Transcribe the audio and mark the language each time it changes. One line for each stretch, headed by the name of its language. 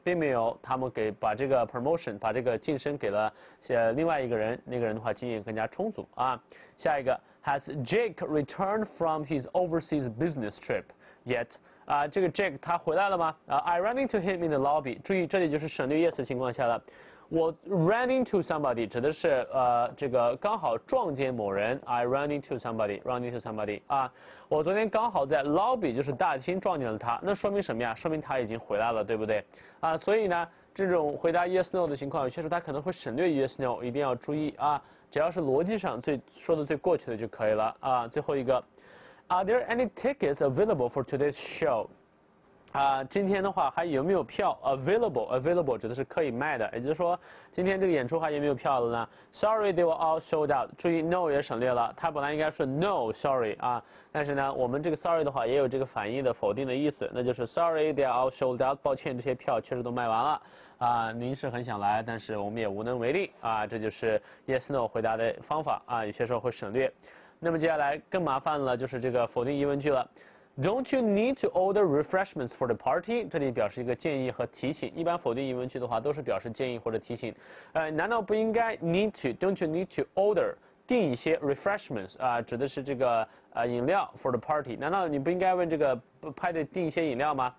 Chinese: 并没有，他们给把这个 promotion 把这个晋升给了另外一个人，那个人的话经验更加充足啊。下一个
English: ，Has Jake returned from his overseas business trip yet?
Chinese: 啊，这个 Jake 他回来了吗？
English: 啊 ，I ran into him in the lobby.
Chinese: 注意，这里就是省略 yes 情况下了。我 ran into somebody 指的是这个刚好撞见某人 ，
English: I ran into somebody， ran into somebody
Chinese: 啊，我昨天刚好在 lobby 就是大厅撞见了他，那说明什么呀？说明他已经回来了，对不对？啊，所以呢，这种回答 yes no 的情况，有些时候他可能会省略 yes no， 一定要注意啊，只要是逻辑上最说的最过去的就可以了啊。
English: 最后一个 ，Are there any tickets available for today's show？
Chinese: 啊，今天的话还有没有票 ？Available 指的是可以卖的，也就是说，今天这个演出还有没有票了呢 ？
English: Sorry, they were all sold out。
Chinese: 注意 ，no 也省略了，它本来应该是
English: no sorry
Chinese: 啊，但是呢，我们这个 sorry 的话也有这个反义的否定的意思，那就是
English: sorry, they are all sold out。
Chinese: 抱歉，这些票确实都卖完了。啊，您是很想来，但是我们也无能为力啊。这就是 yes no 回答的方法啊，有些时候会省略。那么接下来更麻烦了，就是这个否定疑问句了。
English: Don't you need to order refreshments for the party?
Chinese: 这里表示一个建议和提醒。一般否定疑问句的话，都是表示建议或者提醒。难道不应该
English: need to? Don't you need to order
Chinese: 订一些
English: refreshments 啊？
Chinese: 指的是这个饮料
English: for the party。
Chinese: 难道你不应该问这个派对订一些饮料吗？